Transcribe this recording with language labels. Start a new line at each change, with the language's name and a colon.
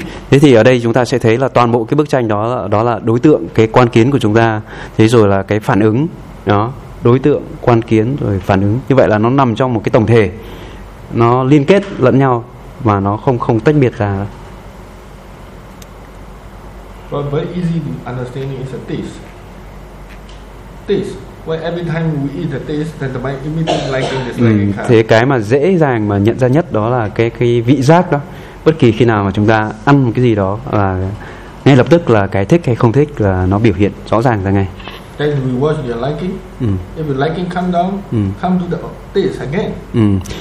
Vietnamese: Thế thì ở đây chúng ta sẽ thấy là toàn bộ cái bức tranh đó là, đó là đối tượng, cái quan kiến của chúng ta, thế rồi là cái phản ứng đó, đối tượng, quan kiến rồi phản ứng, như vậy là nó nằm trong một cái tổng thể, nó liên kết lẫn nhau và nó không không tách biệt ra.
English: But very easy to understand is a taste. Why every time we eat the taste, then the mind immediately liking this like and kind.
Vietnamese: Thế cái mà dễ dàng mà nhận ra nhất đó là cái vị giác đó. Bất kỳ khi nào mà chúng ta ăn một cái gì đó là ngay lập tức là cái thích hay không thích là nó biểu hiện rõ ràng ra ngay.
English: Then we watch your liking. If your liking come down, come to the taste again.